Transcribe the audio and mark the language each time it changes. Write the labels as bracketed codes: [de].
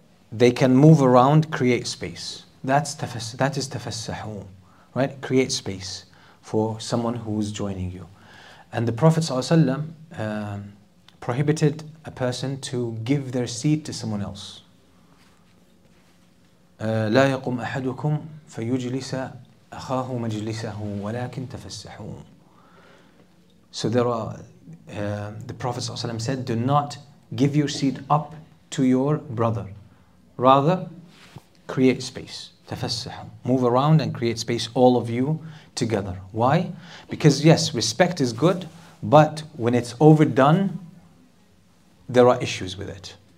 [en] They can move around, create space. That is tafassahu, right? Create space for someone who is joining you. And the Prophet ﷺ prohibited a person to give their seat to someone else. [ar] لا يقوم أحدكم فيجلس أخاه مجلسه ولكن تفسحوا. [en] So there are, the Prophet ﷺ said, do not give your seat up to your brother. Rather, create space. تفسحوا. Move around and create space, all of you together. Why? Because yes, respect is good, but when it's overdone, there are issues with it.